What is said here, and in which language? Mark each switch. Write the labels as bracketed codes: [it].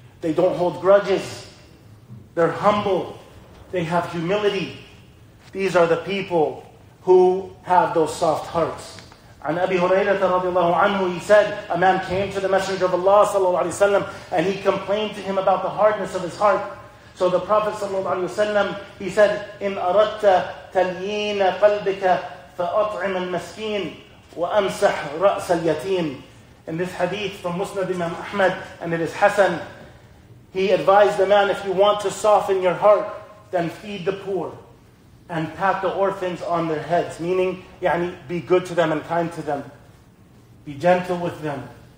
[en] They don't hold grudges. They're humble. They have humility. These are the people who have those soft hearts. [ar] عن أبي هريرة رضي الله عنه, [en] he said, a man came to the Messenger of Allah [ar] صلى الله عليه وسلم [en] and he complained to him about the hardness of his heart. So the Prophet [ar] صلى الله عليه وسلم, [en] he said, [ar] إن أردت تليين قلبك فأطعم المسكين وأمسح رأس اليتيم. [en] In this hadith from Musnad Imam Ahmad and it is Hassan, he advised the man, if you want to soften your heart, then feed the poor and pat the orphans on their heads. Meaning, يعني, be good to them and kind to them. Be gentle with them.